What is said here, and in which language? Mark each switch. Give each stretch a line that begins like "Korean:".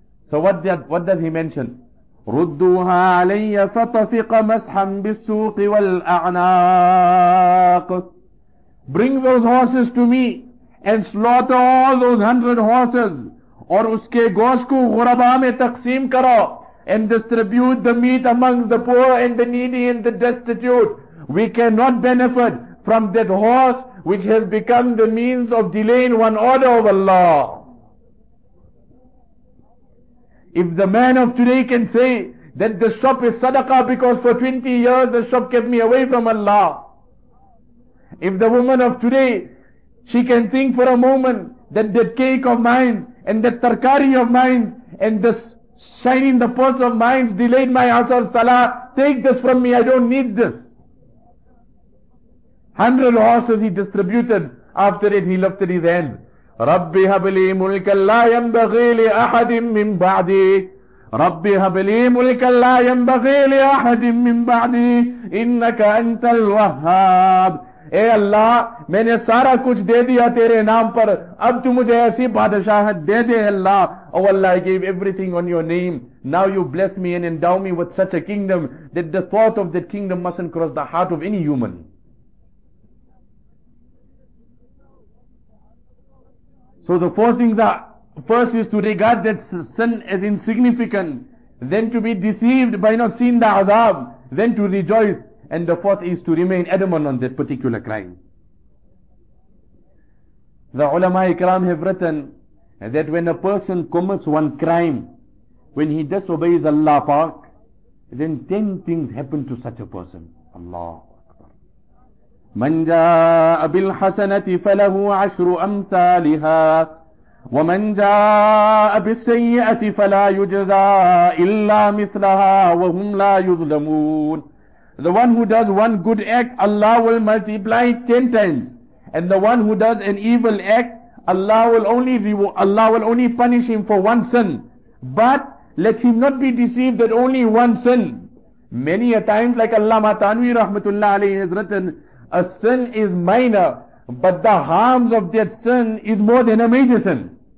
English: So what does he mention?
Arabic: رُدُّوهَا عَلَيَّ فَطَفِقَ مَسْحًا بِالسُّوقِ وَالْأَعْنَاقِ.
English: Bring those horses to me and slaughter all those 100 horses.
Urdu: اور اس کے گوشت کو غربا میں تقسیم کرو.
English: And distribute the meat amongst the poor and the needy and the destitute. We cannot benefit from that horse which has become the means of delaying one order of Allah. If the man of today can say that the shop is sadaqah because for 20 years the shop kept me away from Allah. If the woman of today, she can think for a moment that that cake of mine and that tarkari of mine and this shine in the pearls of mine delayed my asr salah. Take this from me, I don't need this. 100 horses he distributed. After it he lifted his hand.
Arabic: رَبِّ هَبْلِي مُلْكَ لَا يَنْبَغِي لِأَحَدٍ مِّن بَعْدِي رَبِّ هَبْلِي مُلْكَ لَا يَنْبَغِي لِأَحَدٍ مِّن بَعْدِي إِنَّكَ أَنْتَ الْوَهَّابِ.
Urdu: اے اللہ, میں نے سارا کچھ دے دیا تیرے نام پر, اب تو مجھے ایسی بادشاہت دے دے اللہ.
English: Oh Allah, I gave everything on your name. Now you bless me and endow me with such a kingdom that the thought of that kingdom mustn't cross the heart of any human. So the four things are, first is to regard that sin as insignificant, then to be deceived by not seeing the azab, then to rejoice, and the fourth is to remain adamant on that particular crime. The ulama ikram have written that when a person commits one crime, when he disobeys Allah Pak, then 10 things happen to such a person. Allah.
Arabic: من جاء بالحسنة فله عشر أمثالها ومن جاء بالسيئة فلا يجزى إلا مثلها وهم لا يظلمون.
English: The one who does one good act, Allah will multiply 10 times. And the one who does an evil act, Allah will only punish him for one sin. But let him not be deceived that only one sin. Many a times, like Allama Tanwi rahmatullah alayhi has written, a sin is minor, but the harms of that sin is more than a major sin.